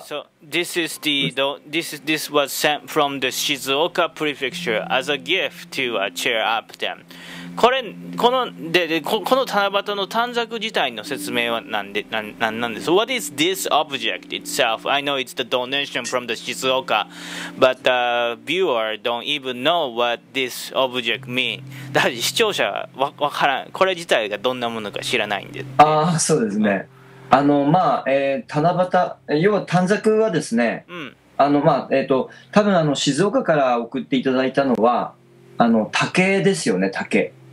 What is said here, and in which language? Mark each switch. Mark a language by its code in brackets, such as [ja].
[en] So this is the, this was sent from the Shizuoka Prefecture as a gift to cheer up them. [ja] これ、この、この七夕の短冊自体の説明はなんです。 [en] What is this object itself? I know it's the donation from the Shizuoka, but the viewer don't even know what this object means. [ja] だから視聴者は分からん。これ自体がどんなものか知らないんで。ああ、そうですね。まあ、七夕、要は短冊はですね、うん、まあ、多分静岡から送っていただいたのは、竹ですよね、竹。